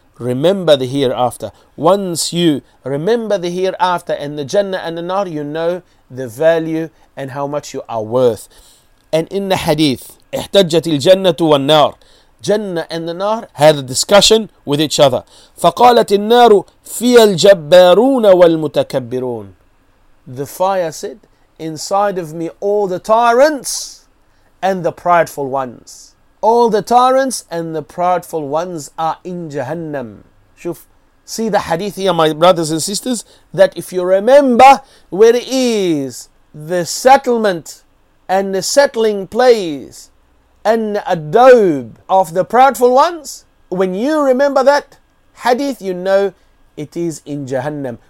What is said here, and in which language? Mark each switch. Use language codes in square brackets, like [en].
[en] Remember the hereafter. Once you remember the hereafter and the Jannah and the Nar, you know the value and how much you are worth. And in the hadith, [ar] احتجت الجنة والنار. [en] Jannah and the Nar had a discussion with each other. [ar] فقالت النار في الجبارون والمتكبرون. [en] The fire said, inside of me all the tyrants and the prideful ones. All the tyrants and the prideful ones are in Jahannam. Shuf, see the hadith here, my brothers and sisters, that if you remember where it is, the settlement and the settling place and the adobe of the prideful ones, when you remember that hadith, you know it is in Jahannam.